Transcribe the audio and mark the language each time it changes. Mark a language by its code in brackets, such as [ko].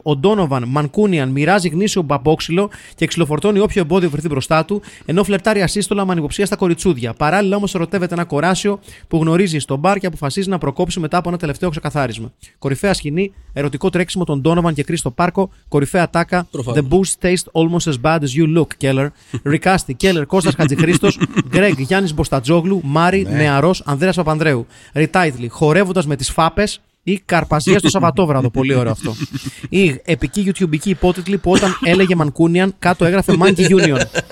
[el] Ο Ντόνοβαν Μανκούνιαν μοιράζει γνήσιο μπαμπόξυλο και ξυλοφορτώνει όποιο εμπόδιο βρεθεί μπροστά του, ενώ φλερτάρει ασύστολα με ανυποψία στα κοριτσούδια. Παράλληλα όμως ερωτεύεται ένα κοράσιο που γνωρίζει στον μπαρ και αποφασίζει να προκόψει μετά από ένα τελευταίο ξεκαθάρισμα. Κορυφαία σκηνή, ερωτικό τρέξιμο των Ντόνοβαν και Κρις στο πάρκο, κορυφαία τάκα. [en] The boost tastes almost as bad as you look, Keller. [el] Ρικάστη, Keller, Κώστας Χατζηχρήστος, Γκρέγ, Γιάννης Μποστατζόγλου, Μάρι, ναι. Νεαρός, Ανδρέας Παπανδρέου. Retitly, χορεύοντας με τις φάπες ή καρπαζία στο Σαββατόβραδο. Πολύ ωραίο αυτό. Ή επική YouTube υπότιτλοι που όταν έλεγε Μανκούνιαν κάτω έγραφε Monkey Union.